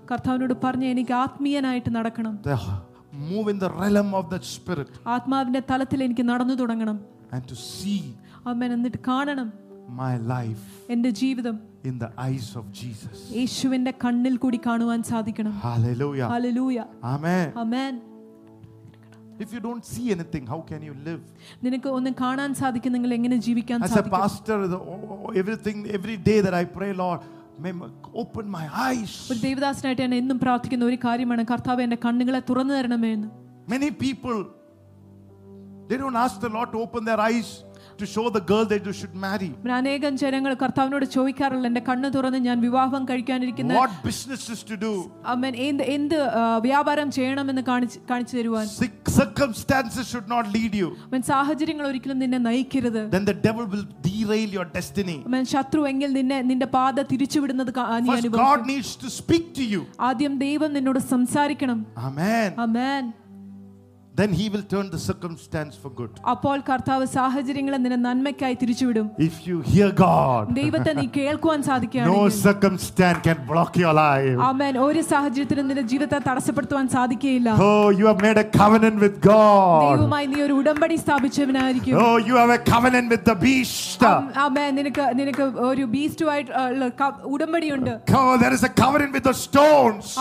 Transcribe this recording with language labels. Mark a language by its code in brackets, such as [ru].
[ml] കർത്താവിനോട് പറഞ്ഞു എനിക്ക് ആത്മീയനായിട്ട് നടക്കണം. [en] Move in the realm of the spirit. [ml] ആത്മാവിന്റെ തലത്തിൽ എനിക്ക് നടന്നു തുടങ്ങണം. [en] And to see. [ml] അമ്മേ എന്നിട്ട് കാണണം. [en] My life. [ml] എൻ്റെ ജീവിതം. [en] In the eyes of Jesus. [ml] യേശുവിൻ്റെ കണ്ണിൽ കൂടി കാണുവാൻ സാധിക്കണം. [en] Hallelujah. Hallelujah. Amen. Amen. If you don't see anything, how can you live? [ml] നിനക്ക് ഒന്നും കാണാൻ സാധിക്കുന്നെങ്കിൽ എങ്ങനെ ജീവിക്കാൻ സാധിക്കും? [en] As a pastor, everything, every day that I pray, Lord, may open my eyes. [ml] ഒരു ദൈവദാസനായിട്ട് ഞാൻ എന്നും പ്രാർത്ഥിക്കുന്ന ഒരു കാര്യമാണ് കർത്താവേ എന്റെ കണ്ണുകളെ തുറന്നു തരണമേ എന്ന്. [en] Many people, they don't ask the Lord to open their eyes to show the girl that they should marry. [ml] അനേകം ജനങ്ങൾ കർത്താവിനോട് ചോദിക്കാറുണ്ട് എന്റെ കണ്ണു തുറന്ന് ഞാൻ വിവാഹം കഴിക്കാനിരിക്കുന്ന [en] what business is to do. Amen. [ml] എന്ത് വ്യാപാരം ചെയ്യണം എന്ന് കാണിച്ചു തരുവാൻ. [en] Circumstances should not lead you. [ml] അമേൻ സാഹചര്യങ്ങൾ ഒരിക്കലും നിന്നെ നയിക്കരുത്. [en] Then the devil will derail your destiny. [ml] അമേൻ ശത്രു എങ്കിൽ നിന്റെ പാത തിരിച്ചുവിടുന്നത് നീ അനുഭവിക്കും. [en] God needs to speak to you. [ml] ആദ്യം ദൈവം നിന്നോട് സംസാരിക്കണം. [en] Amen. Amen. Then he will turn the circumstance for good. [ml] അപ്പോൾ കർത്താവ് സാഹചര്യങ്ങളെ നിന്റെ നന്മയ്ക്കായി തിരിച്ചുവിടും. [en] If you hear God. [ml] ദൈവത്തെ നീ കേൾക്കുവാൻ സാധിക്കുകയാണെങ്കിൽ. [en] No circumstance can block your life. [ml] ആമേൻ. ഒരു സാഹചര്യത്തിലും നിന്റെ ജീവിതത്തെ തടസ്സപ്പെടുത്താൻ സാധിക്കില്ല. [en] Oh, you have made a covenant with God. [ml] ദൈവവുമായി നീ ഒരു ഉടമ്പടി സ്ഥാപിച്ചവനായിരിക്കും. [en] Oh, you have a covenant with the beast. [ml] ആമേൻ. നിനക്ക് ഒരു ബീസ്റ്റുമായിട്ട് ഉടമ്പടിയുണ്ട്. [en] Oh, there is a covenant with the stones.